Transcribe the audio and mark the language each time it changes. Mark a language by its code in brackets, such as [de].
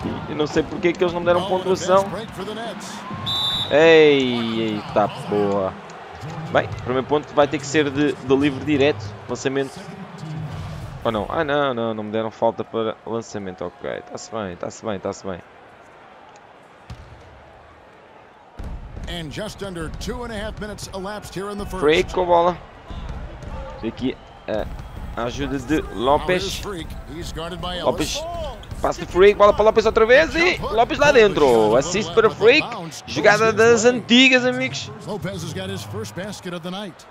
[pt] Eu não sei porque é que eles não me deram pontuação. Eita porra. Bem, o primeiro ponto vai ter que ser de livre direto. Lançamento. Ou não? Ah não, não, não me deram falta para lançamento. Ok, está-se bem, está-se bem, está-se bem. [en] And just under 2.5 minutes elapsed here in the first. [pt] Freak com a bola. Aqui a ajuda de Lopes. Lopes. Passa de Freak, bola para Lopes outra vez e Lopes lá dentro. Assiste para Freak. Jogada das antigas, amigos. [en] Lopes got his first basket of the night.